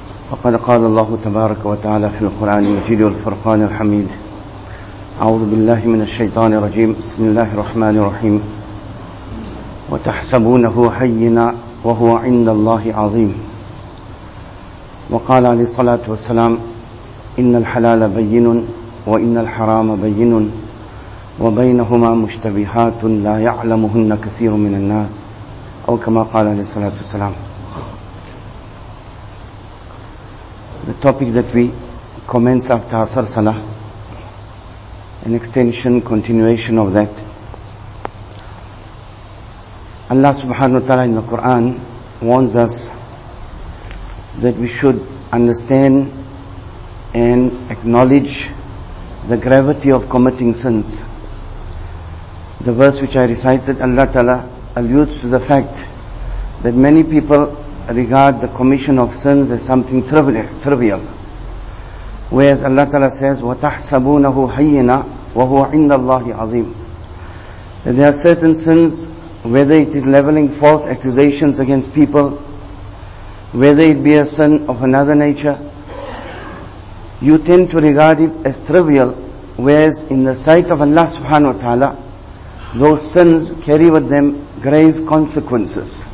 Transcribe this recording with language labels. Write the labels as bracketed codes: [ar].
[ar] فقد قال الله تبارك وتعالى في القرآن المجيد والفرقان الحميد أعوذ بالله من الشيطان الرجيم بسم الله الرحمن الرحيم وتحسبونه حينا وهو عند الله عظيم وقال عليه الصلاة والسلام إن الحلال بين وإن الحرام بين وبينهما مشتبهات لا يعلمهن كثير من الناس أو كما قال عليه الصلاة والسلام. [en] The topic that we commence after Asr Salah, an extension, continuation of that. Allah subhanahu wa ta'ala in the Quran warns us that we should understand and acknowledge the gravity of committing sins. The verse which I recited, Allah ta'ala alludes to the fact that many people regard the commission of sins as something trivial. Whereas Allah ta'ala says, [ar] وَتَحْسَبُونَهُ هَيِّنًا وَهُوَ عِنَّ اللَّهِ عَظِيمٌ. [en] There are certain sins, whether it is leveling false accusations against people, whether it be a sin of another nature, you tend to regard it as trivial, whereas in the sight of Allah subhanahu wa ta'ala, those sins carry with them grave consequences.